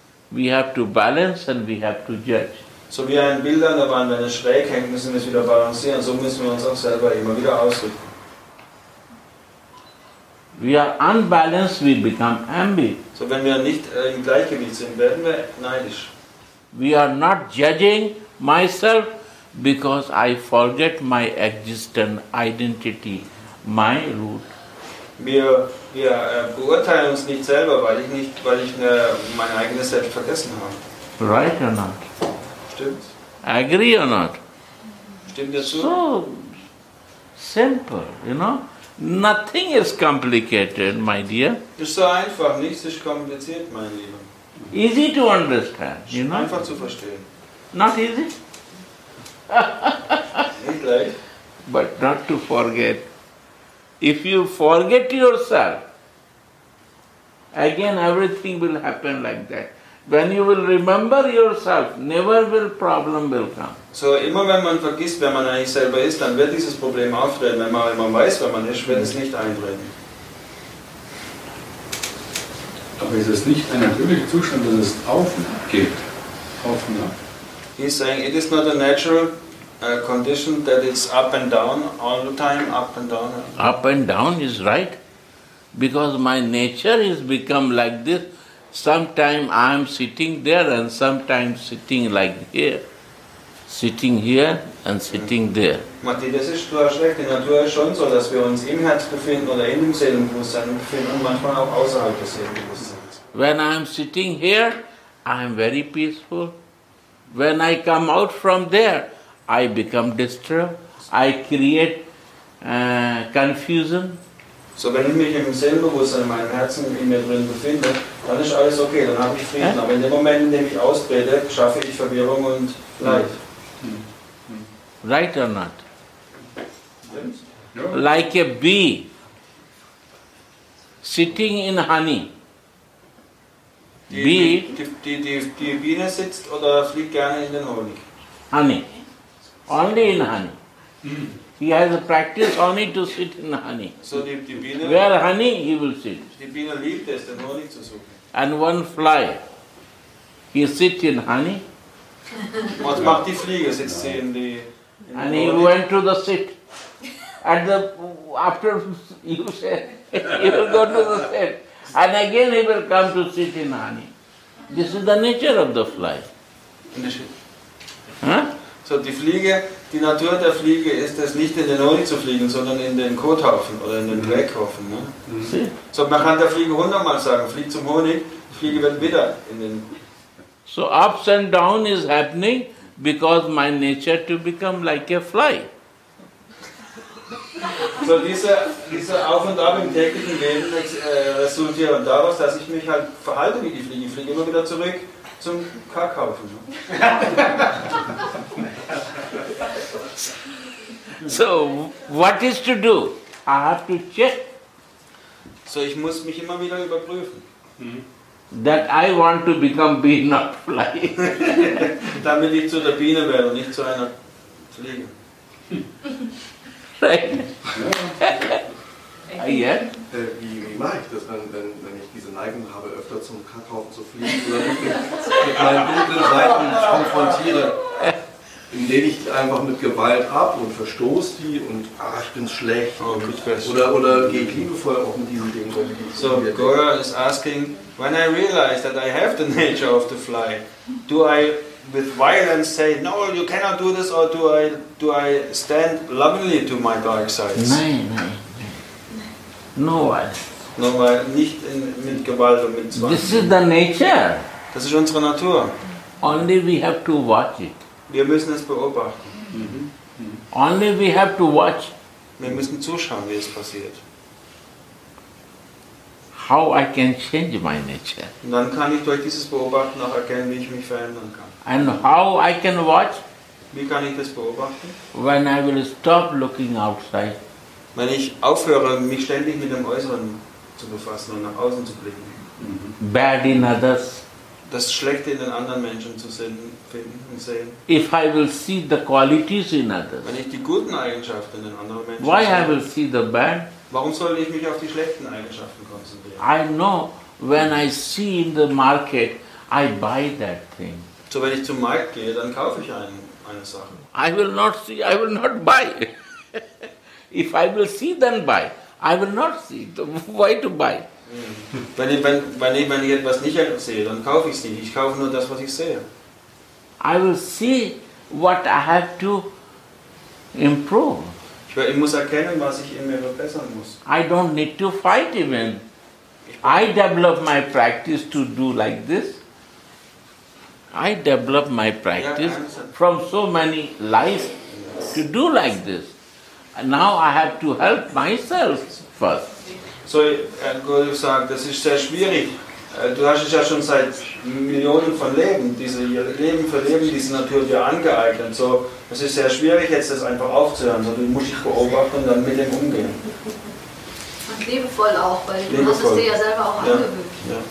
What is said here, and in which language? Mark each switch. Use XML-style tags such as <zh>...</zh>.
<en>We have to balance and we have to judge.</en> <de>So wie ein Bild an der Wand, wenn es schräg hängt, müssen wir es wieder balancieren. So müssen wir uns auch selber immer wieder ausrichten.</de> <en>We are unbalanced, we become envy.</en> <de>So wenn wir nicht im Gleichgewicht sind, werden wir neidisch.</de> <en>We are not judging myself because I forget my existent identity, my root.</en> <de>Wir beurteilen uns nicht selber, weil ich mein eigenes Selbst vergessen habe.</de> <en>Right or not?</en> <de>Stimmt's?</de> <en>Agree or not?</en> <de>Stimmt dir zu?</de> <en>So simple, you know? Nothing is complicated, my dear.</en> <de>Ist so einfach, nichts ist kompliziert, mein Lieber.</de> <en>Easy to understand, you know?</en> <de>Einfach zu verstehen.</de> <en>Not easy?</en> <de>Nicht leicht.</de> <en>But not to forget. If you forget yourself, again everything will happen like that. When you will remember yourself, never will problem will come.</en> <de>So immer wenn man vergisst, wer man eigentlich selber ist, dann wird dieses Problem auftreten. Wenn man weiß, wer man ist, wird es nicht eintreten. Aber ist es nicht ein natürlicher Zustand, dass es auf und ab geht? Auf und ab.</de> <en>He's saying, it is not a natural condition that it's up and down all the time, up and down. Up and down is right, because my nature has become like this. Sometimes I'm sitting there and sometimes sitting like here. Sitting here and sitting there.</en> <de>Matthias, ist zwar schlecht, die Natur ist schon so, dass wir uns im Herz befinden oder in dem Seelenbewusstsein befinden und manchmal auch außerhalb des Seelenbewusstseins.</de> <en>When I'm sitting here, I'm very peaceful. When I come out from there, I become disturbed. I create confusion.</en> <de>So, wenn ich mich im Seelenbewusstsein, in meinem Herzen, in mir drin befinde, dann ist alles okay, dann habe ich Frieden. Aber in dem Moment, in dem ich ausbrede, schaffe ich Verwirrung und Leid.</de> <en>Right or not? Like a bee sitting in honey.</en> <de>Die Biene sitzt oder fliegt gerne in den Honig.</de> <en>Honey. Only in honey. He has a practice only to sit in honey.</en> <de>So die Biene,</de> <en>where honey he will sit.</en> <de>Die Biene liebt es, den Honig zu suchen.</de> <en>And one fly. He sits in honey.</en> <de>Was macht die Fliege? Sitzt sie in die.</de> <en>And he went to the sit. And the after you say he will go to the sit. And again he will come to sit in honey. This is the nature of the fly. Huh?</en> <de>So die Fliege, die Natur der Fliege ist es nicht in den Honig zu fliegen, sondern in den Kothaufen oder in den Dreckhaufen. Ne? So man kann der Fliege hundertmal sagen, flieg zum Honig, die Fliege wird wieder in den.</de> <en>So ups and down is happening. Because my nature to become like a fly.</en> <de>So diese Auf und Ab im täglichen Leben resultieren daraus, dass ich mich halt verhalte wie die Fliege. Ich fliege immer wieder zurück zum Kackhaufen.</de> <en>So, what is to do? I have to check.</en> <de>So, ich muss mich immer wieder überprüfen. Mm-hmm.</de> <en>That I want to become bee, not fly.</en> <de>Damit ich zu der Biene werde, nicht zu einer Fliege.</de> <en>Right?</en> <de>Wie mache ich das, wenn ich diese Neigung habe, öfter zum Kackhaufen zu fliegen oder mit meinen dunklen Seiten konfrontiere, indem ich die einfach mit Gewalt ab und verstoße die und ach, ich bin schlecht oder gehe ich liebevoll auch mit diesen Dingen um.</de> <en>So, Gora is asking, when I realize that I have the nature of the fly, do I with violence say, no, you cannot do this, or do I stand lovingly to my dark sides?</en> <de>Nein.</de> <en>No violence. No violence,</en> <de>nicht mit Gewalt und mit Zwang.</de> <en>This is the nature.</en> <de>Das ist unsere Natur.</de> <en>Only we have to watch it.</en> <de>Wir müssen es beobachten.</de> <en>Mm-hmm. Only we have to watch.</en> <de>Wir müssen zuschauen, wie es passiert.</de> <en>How I can change my nature.</en> <de>Und dann kann ich durch dieses Beobachten auch erkennen, wie ich mich verändern kann.</de> <en>And how I can watch?</en> <de>Wie kann ich das beobachten?</de> <en>When I will stop looking outside.</en> <de>Wenn ich aufhöre, mich ständig mit dem Äußeren zu befassen und nach außen zu blicken. Mm-hmm.</de> <en>Bad in others.</en> <de>Das Schlechte in den anderen Menschen zu sehen, finden und sehen.</de> <en>If I will see the qualities in others.</en> <de>Wenn ich die guten Eigenschaften in den anderen Menschen</de> <en>why</en> <de>sehe.</de> <en>Why I will see the bad?</en> <de>Warum soll ich mich auf die schlechten Eigenschaften konzentrieren?</de> <en>I know when I see in the market, I buy that thing.</en> <de>So wenn ich zum Markt gehe, dann kaufe ich eine Sache.</de> <en>I will not see. I will not buy. If I will see, then buy. I will not see. Why to buy?</en> <de>Wenn ich etwas nicht sehe, dann kaufe ich es nicht. Ich kaufe nur das, was ich sehe.</de> <en>I will see what I have to improve.</en> <de>Ich muss erkennen, was ich in mir verbessern muss.</de> <en>I don't need to fight even. I develop my practice to do like this. I develop my practice from so many lies to do like this. And now I have to help myself first.</en> <de>So, Gurdjieff sagt, das ist sehr schwierig. Du hast es ja schon seit Millionen von Leben, diese Leben für Leben, diese Natur dir angeeignet. So, es ist sehr schwierig, jetzt das einfach aufzuhören. So, du musst dich beobachten und dann mit dem umgehen. Und liebevoll auch, weil du liebevoll. Hast es dir ja selber auch angewöhnt. Ja.</de>